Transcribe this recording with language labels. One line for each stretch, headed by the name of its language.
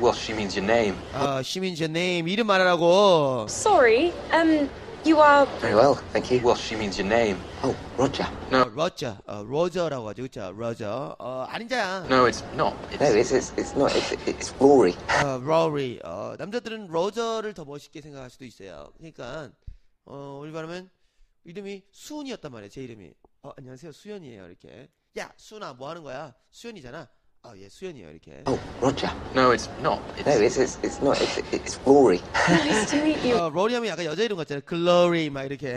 English: Well, she means your name. She means your name. 이름 말하라고. Sorry, you are. Very well, thank you. Well, she means your name. Oh, Roger. No, Roger.
Korean: Roger라고 하죠, 그쵸? Roger. 아닌 자야.
English: No, it's not. It's not. It's Rory. Rory.
Korean: 남자들은 Roger를 더 멋있게 생각할 수도 있어요. 그러니까, 우리 바람은 이름이 수은이었단 말이야 제 이름이 안녕하세요 수연이에요 이렇게 야 수은아 뭐 하는 거야 수연이잖아 예 수연이에요 이렇게
English: Oh Roger No it's not it's Rory Nice to meet you
Korean: Rory 하면 약간 여자 이름 같잖아 Glory 막 이렇게